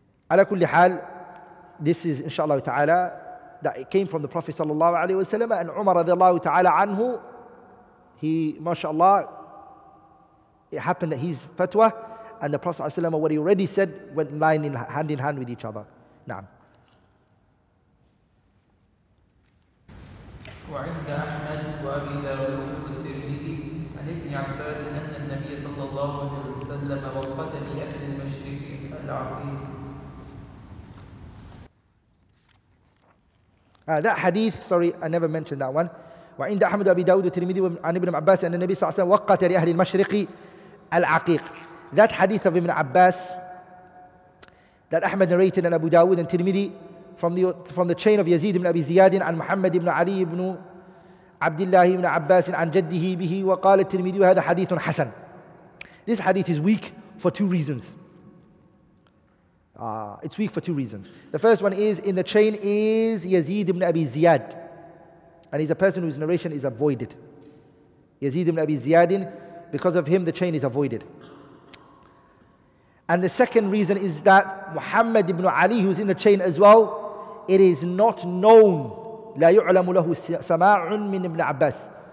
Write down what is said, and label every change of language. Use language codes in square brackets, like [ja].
[ar] عَلَى كُلِّ حَال, [en] this is inshallah ta'ala that it came from the Prophet sallallahu alayhi wa sallam, and Umar radiallahu ta'ala anhu, he mashallah, it happened that he's fatwa and the Prophet sallallahu alayhi wa sallam, what he already said went line in hand in hand with each other. [ar] نعم. وعند أحمد وأبي داود والترمذي عن ابن عباس أن النبي صلى الله عليه وسلم وقت لأهل المشرك العظيم. [en] That hadith, sorry, I never mentioned that one. [ar] وعند أحمد وأبي داود والترمذي عن ابن عباس أن النبي صلى الله عليه وسلم وقت لأهل المشرق العقيق. [en] That hadith of Ibn Abbas, that Ahmad narrated in Abu Dawud and Tirmidhi from the chain of Yazid ibn Abi Ziyad and Muhammad ibn Ali ibn Abdullah ibn Abbas and [ar] Jaddihi bihi wa qala Tirmidhi wa hadha hadithun hasan. [en] This hadith is weak for two reasons. It's weak for two reasons. The first one is, in the chain is Yazid ibn Abi Ziyad, and he's a person whose narration is avoided. Yazid ibn Abi Ziyad, because of him the chain is avoided. And the second reason is that Muhammad ibn Ali, who's in the chain as well, it is not known. [ar] لا يعلم له سماع من ابن عباس.